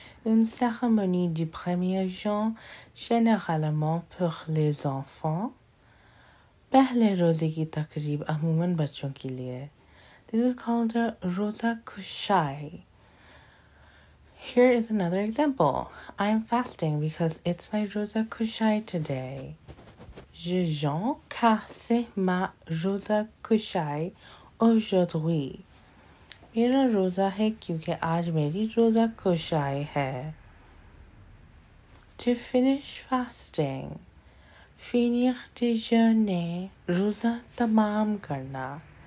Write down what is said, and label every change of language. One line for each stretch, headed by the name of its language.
French: Une cérémonie du premier jour, généralement pour les enfants.
Urdu: پہلے روزے کی تقریب عموماً بچوں کے لیے.
English: This is called a roza kushai. Here is another example. I am fasting because it's my roza kushai today.
French: Je jeûne car c'est ma roza kushai aujourd'hui.
Urdu: میرا روزہ ہے کیونکہ آج میری روزہ کشائی ہے.
English: To finish fasting.
French: Finir déjeuner,
Urdu: روزہ تمام کرنا.